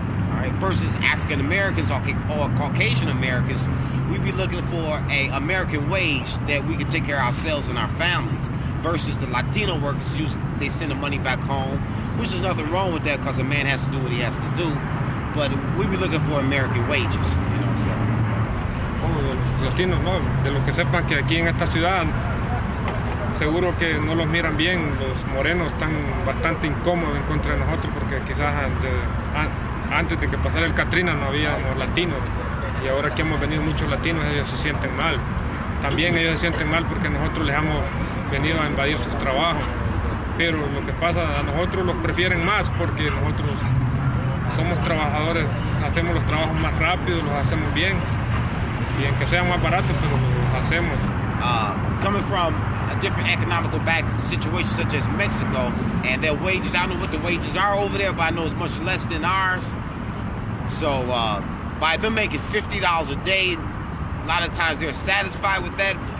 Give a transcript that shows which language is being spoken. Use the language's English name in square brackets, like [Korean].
[English] All right, versus African Americans or Caucasian Americans, we'd be looking for an American wage that we can take care of ourselves and our families. Versus the Latino workers, they send the money back home, which is nothing wrong with that because a man has to do what he has to do. But we'd be looking for American wages, you know. So. [Spanish] Latinos, no, de los que sepan que aquí en esta ciudad seguro que no los miran bien, los morenos están bastante incómodos en contra de nosotros porque quizás antes de que pasara el Katrina no había latinos y ahora que hemos venido muchos latinos ellos se sienten mal, también ellos se sienten mal porque nosotros les hemos venido a invadir sus trabajos, pero lo que pasa, a nosotros los prefieren más porque nosotros somos trabajadores, hacemos los trabajos más rápido, los hacemos bien. [English] Coming from a different economical back situation such as Mexico, and their wages, I don't know what the wages are over there, but I know it's much less than ours. So by them making $50 a day, a lot of times they're satisfied with that.